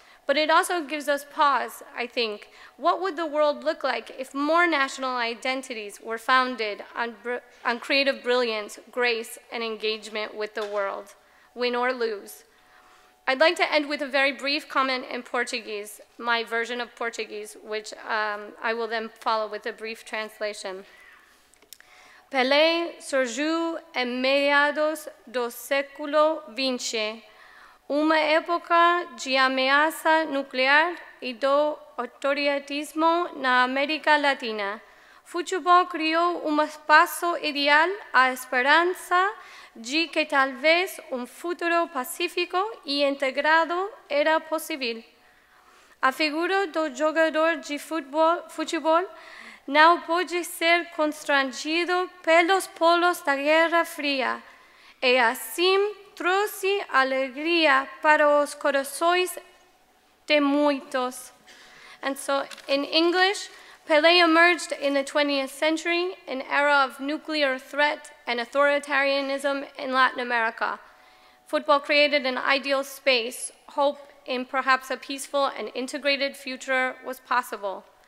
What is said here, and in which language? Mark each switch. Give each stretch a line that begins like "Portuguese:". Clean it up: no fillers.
English: But it also gives us pause, I think. What would the world look like if more national identities were founded on creative brilliance, grace, and engagement with the world, win or lose? I'd like to end with a very brief comment in Portuguese, my version of Portuguese, which I will then follow with a brief translation.
Portuguese: Pelé surgiu em meados do século XX, uma época de ameaça nuclear e do autoritarismo na América Latina. Futebol criou espaço ideal à esperança de que talvez futuro pacífico e integrado era possível. A figura do jogador de futebol não pode ser constrangido pelos polos da Guerra Fria e assim trouxe alegria para os corações de muitos.
English: And so, in English, Pelé emerged in the 20th century, an era of nuclear threat and authoritarianism in Latin America. Football created an ideal space. Hope in perhaps a peaceful and integrated future was possible.